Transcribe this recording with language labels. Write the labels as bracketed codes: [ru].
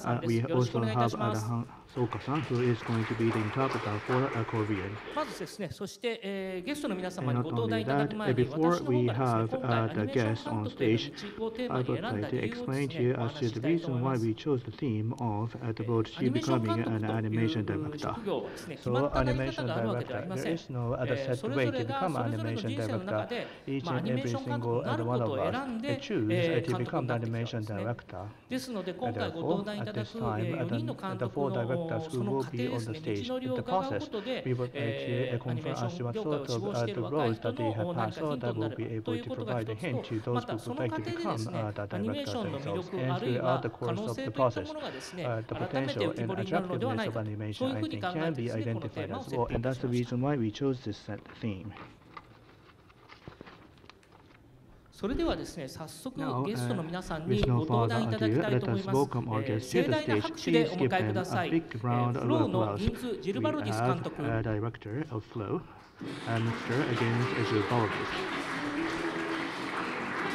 [en] We also have Ahn Jae-huun さん、who is going to be the interpreter for Korean。 [ja] まずですね、そしてゲストの皆様にご登壇いただく前に、 [en] Before we have the guest on stage, I would like to explain to you as to the reason why we chose the theme onAt the board, she becoming an animation director. So, animation director, there is no other set way to become an animation director. Each and every single and one of us choose to become the animation director. And therefore, at this time, the four directors who will be on the stage in the process, we would like to confirm as to what sort of roles that they have passed, so that we'll be able to provide a hint to those who would like to become the directors themselves. And throughout the course of the process,The potential and attractiveness of animation, I think, can be identified as well, and that's the reason why we chose this set theme. [ja] それではですね、早速ゲストの皆さんにご登壇いただきたいと思います。盛大な拍手でお迎えください。フローのギンツ・ジルバロディス監督。 [en] We have a director of Flow, Mr. Gints Zilbalodis.